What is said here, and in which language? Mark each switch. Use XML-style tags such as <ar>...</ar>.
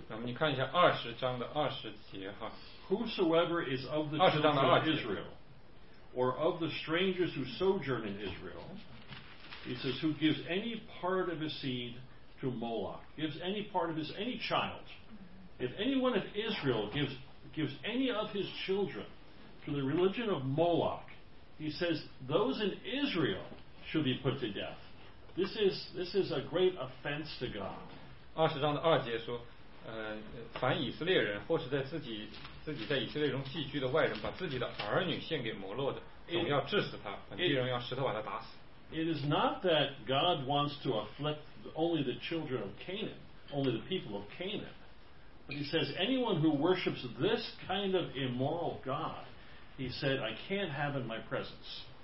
<zh>那么你看一下二十章的二十节哈。</zh> <en>Whosoever is of the children of Israel. Or of the strangers who sojourn in Israel, he says, who gives any part of his seed to Moloch, gives any part of his, any child, if anyone of Israel gives any of his children to the religion of Moloch, he says, those in Israel should be put to death. This is a great offense to God.</en> <zh>二十章的二节说，凡以色列人或是在自己在以色列中寄居的外人，把自己的儿女献给摩洛的，总要治死他，本地人要石头把他打死。</zh> <en>It is not that God wants to afflict only the children of Canaan, only the people of Canaan, but He says anyone who worships this kind of immoral God, He said, I can't have in my presence.</en>